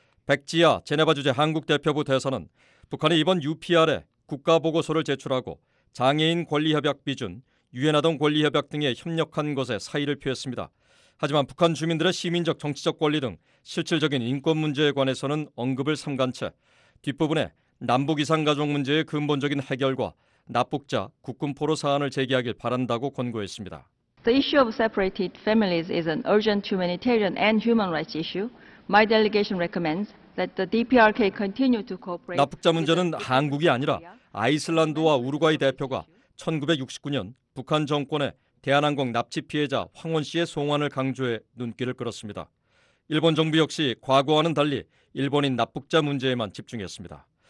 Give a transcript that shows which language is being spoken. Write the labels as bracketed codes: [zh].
[ko] 백지아 제네바 주재 한국 대표부 대사는 북한이 이번 UPR에 국가보고서를 제출하고 장애인 권리협약 비준, 유엔아동 권리협약 등에 협력한 것에 사의를 표했습니다. 하지만 북한 주민들의 시민적 정치적 권리 등 실질적인 인권 문제에 관해서는 언급을 삼간 채 뒷부분에 남북 이상가족 문제의 근본적인 해결과 납북자, 국군포로 사안을 제기하길 바란다고 권고했습니다. [en] The issue of separated families is an urgent humanitarian and human rights issue. My delegation recommends that the DPRK continue to cooperate. [ko] 납북자 문제는 한국이 아니라 아이슬란드와 우루과이 대표가 1969년 북한 정권의 대한항공 납치 피해자 황원 씨의 송환을 강조해 눈길을 끌었습니다. 일본 정부 역시 과거와는 달리 일본인 납북자 문제에만 집중했습니다.